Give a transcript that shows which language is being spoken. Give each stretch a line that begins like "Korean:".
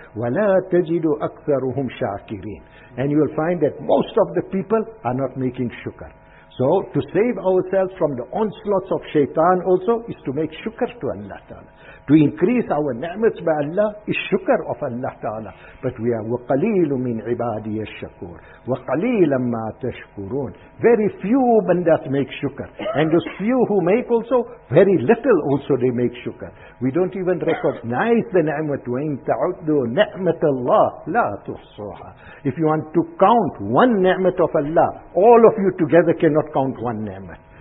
Arabic: وَلَا تَجِدُ أَكْثَرُهُمْ شَاكِرِينَ.
English: And you will find that most of the people are not making shukr. So, to save ourselves from the onslaughts of shaitan also, is to make shukr to Allah Ta'ala. To increase our ni'mat by Allah, is shukr of Allah Ta'ala. But we are,
Arabic: وَقَلِيلُ مِنْ عِبَادِيَ الشَّكُورِ وَقَلِيلًا مَّا تَشْكُرُونَ.
English: Very few bandas make shukr. And those few who make also, very little also they make shukr. We don't even recognize the ni'mat.
Arabic: وَإِن تَعُدُّ نِعْمَةَ اللَّهِ لَا تُحْصُوهَا.
English: If you want to count one ni'mat of Allah, all of you together cannot count one ni'mat.